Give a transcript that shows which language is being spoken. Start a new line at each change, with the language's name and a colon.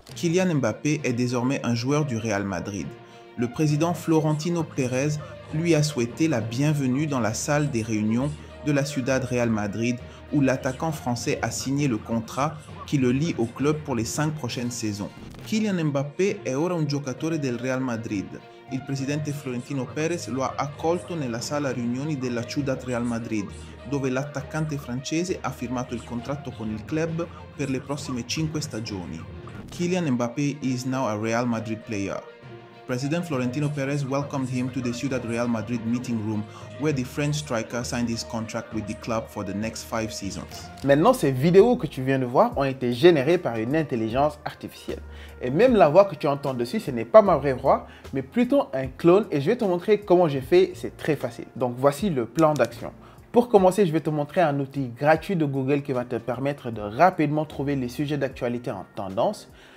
French: Kylian Mbappé est désormais un joueur du Real Madrid. Le président Florentino Pérez lui a souhaité la bienvenue dans la salle des réunions de la Ciudad Real Madrid où l'attaquant français a signé le contrat qui le lie au club pour les 5 prochaines saisons.
Italian: Kylian Mbappé è ora un giocatore del Real Madrid. Il presidente Florentino Perez lo ha accolto nella sala riunioni della Ciudad Real Madrid, dove l'attaccante francese ha firmato il contratto con il club per le prossime 5 stagioni.
English: Kylian Mbappé is now a Real Madrid player. President Florentino Perez welcomed him to the Ciudad Real Madrid meeting room where the French striker signed his contract with the club for the next 5 seasons.
French: Maintenant, ces vidéos que tu viens de voir ont été générées par une intelligence artificielle. Et même la voix que tu entends dessus, ce n'est pas ma vraie voix, mais plutôt un clone et je vais te montrer comment j'ai fait, c'est très facile. Donc voici le plan d'action. Pour commencer, je vais te montrer un outil gratuit de Google qui va te permettre de rapidement trouver les sujets d'actualité en tendance.